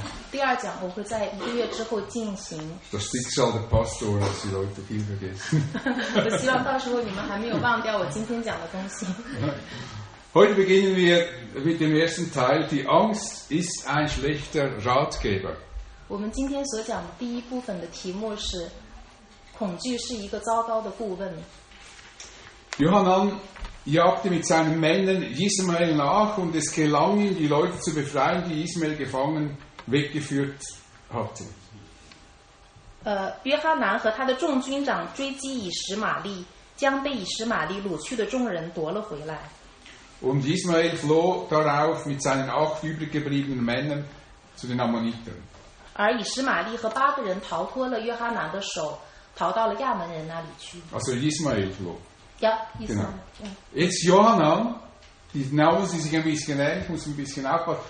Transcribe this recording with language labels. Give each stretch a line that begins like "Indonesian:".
Chinese: 第二讲我会在一个月之后进行。
German: Das Schicksal der Pastoren, dass die Leute viel vergessen.
Chinese: 我希望到时候你们还没有忘掉我今天讲的东西。
German: Heute beginnen wir mit dem ersten Teil. Die Angst ist ein schlechter Ratgeber.
Chinese: 我们今天所讲的第一部分的题目是恐惧是一个糟糕的顾问。
German: Johanan jagte mit seinen Männern Ismael nach und es gelang ihm, die Leute zu befreien, die Ismael gefangen weggeführt hatte.
Chinese: 约翰南和他的众军长追击以实玛利，将被以实玛利掳去的众人夺了回来。
German: Und Ismael floh darauf mit seinen 8 übrig gebliebenen Männern zu den Ammoniten.
Chinese: 而以实玛利和八个人逃脱了约哈南的手，逃到了亚门人那里去。
German: Also Ismael floh. Ja, Ismael. Jetzt Johanan, die Name ist sich ein bisschen ähnlich, ich muss ein bisschen aufpassen.